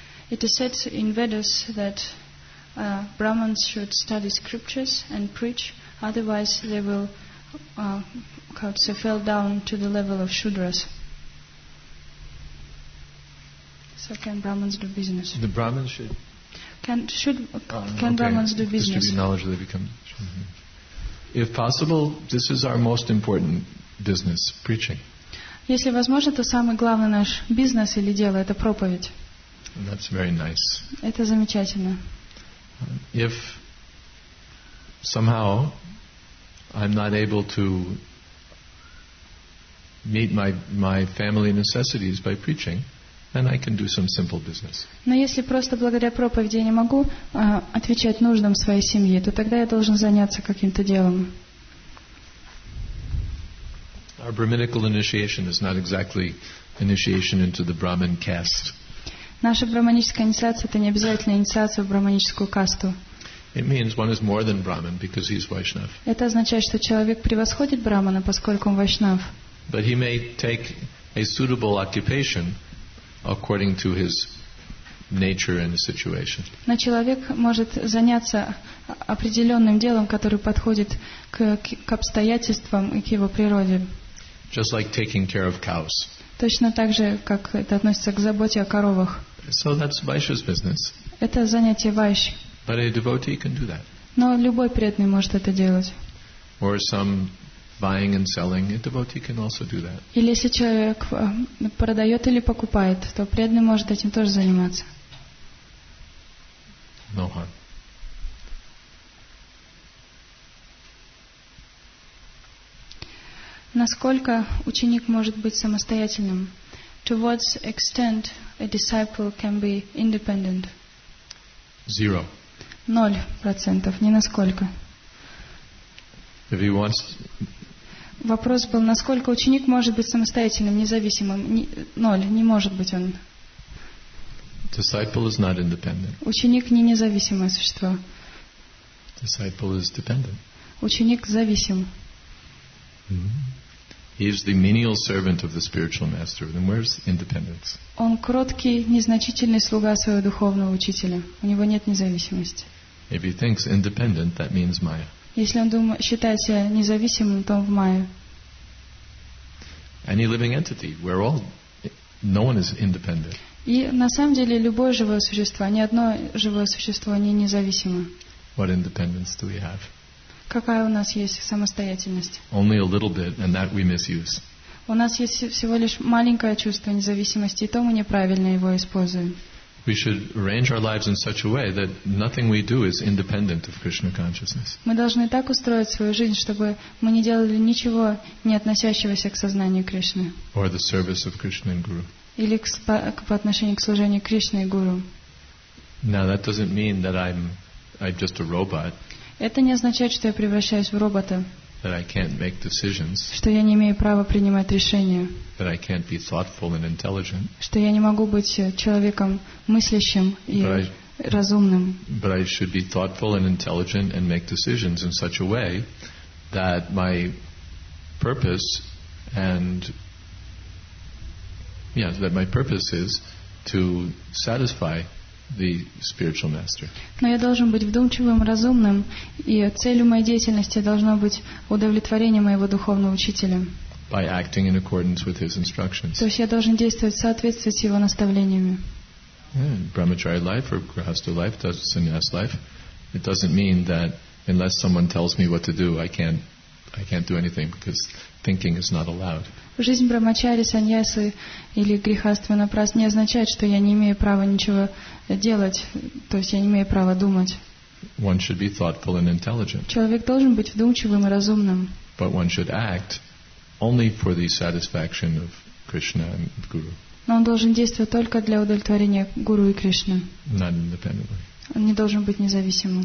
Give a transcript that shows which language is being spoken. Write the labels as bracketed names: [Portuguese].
[English] It is said in Vedas that Brahmins should study scriptures and preach, otherwise they will fall down to the level of shudras. So can Brahmins do business? The Brahmins should... Brahmins do business? Distribute knowledge, they become... If possible, this is our most important business, preaching. [Russian] Если возможно, то самый главный наш бизнес или дело – это проповедь. [English] That's very nice. [Russian] Это замечательно. [English] If somehow I'm not able to meet my family necessities by preaching, then I can do some simple business. [Russian] Но если просто благодаря проповеди я не могу отвечать нуждам своей семьи, то тогда я должен заняться каким-то делом. [English] Our brahminical initiation is not exactly initiation into the Brahmin caste. [Russian] Наша брахманическая инициация — это не обязательно инициация в брахманическую касту. [English] It means one is more than Brahmin because he's Vaishnav. [Russian] Это означает, что человек превосходит брахмана, поскольку он Вайшнав. [English] But he may take a suitable occupation according to his nature and situation. [Russian] Но человек может заняться определенным делом, которое подходит к обстоятельствам и к его природе. [English] Just like taking care of cows. [Russian] Точно так же, как это относится к заботе о коровах. [English] So that's Vaishya's business. [Russian] Это занятие Вайш. [English] But a devotee can do that. [Russian] Но любой преданный может это делать. [English] Or some buying and selling, a devotee can also do that. [Russian] Или если человек продает или покупает, то преданный может этим тоже заниматься. [English] No harm. [Russian] Насколько ученик может быть самостоятельным? [English] To what extent a disciple can be independent? Zero. [Russian] 0%. Ни насколько. [English] If he wants... [Russian] Вопрос был, насколько ученик может быть самостоятельным, независимым? Ноль. Не может быть он. [English] Disciple is not independent. [Russian] Ученик не независимое существо. [English] Disciple is dependent. [Russian] Ученик зависим. Mm-hmm. [English] He is the menial servant of the spiritual master. Then where's independence? [Russian] Он кроткий, незначительный слуга своего духовного учителя. У него нет независимости. [English] If he thinks independent, that means Maya. [Russian] Если он считает себя независимым, то он в Майе. [English] Any living entity, we're all, no one is independent. [Russian] И на самом деле любое живое существо, ни одно живое существо не независимо. [English] What independence do we have? [Russian] Какая у нас есть самостоятельность? [English] Only a little bit, and that we misuse. [Russian] У нас есть всего лишь маленькое чувство независимости, и то мы неправильно его используем. [English] We should arrange our lives in such a way that nothing we do is independent of Krishna consciousness. [Russian] Мы должны так устроить свою жизнь, чтобы мы не делали ничего, не относящегося к сознанию Кришны. [English] Or the service of Krishna and Guru. [Russian] Или по отношению к служению Кришне и Гуру. [English] Now that doesn't mean that I'm just a robot. [Russian] Это не означает, что я превращаюсь в робота. [English] That I can't make decisions. [Russian] Что я не имею права принимать решения. [English] That I can't be thoughtful and intelligent. [Russian] Что я не могу быть человеком мыслящим и разумным. [English] But I should be thoughtful and intelligent and make decisions in such a way that my purpose and that my purpose is to satisfy the spiritual master. [Russian] Но я должен быть вдумчивым, разумным, и целью моей деятельности должно быть удовлетворение моего духовного учителя. [English] By acting in accordance with his instructions. [Russian] То есть я должен действовать в соответствии с его наставлениями. [English] Brahmacharya life or grihastha life, sannyas life, it doesn't mean that unless someone tells me what to do, I can't do anything because thinking is not allowed. [Russian] Жизнь брахмачари, саньясы или грихаства напрасно не означает, что я не имею права ничего делать, то есть я не имею права думать. [English] One should be thoughtful and intelligent. [Russian] Человек должен быть вдумчивым и разумным. [English] But one should act only for the satisfaction of Krishna and Guru. [Russian] Но он должен действовать только для удовлетворения Гуру и Кришны. [English] Not independently. [Russian] Он не должен быть независимым.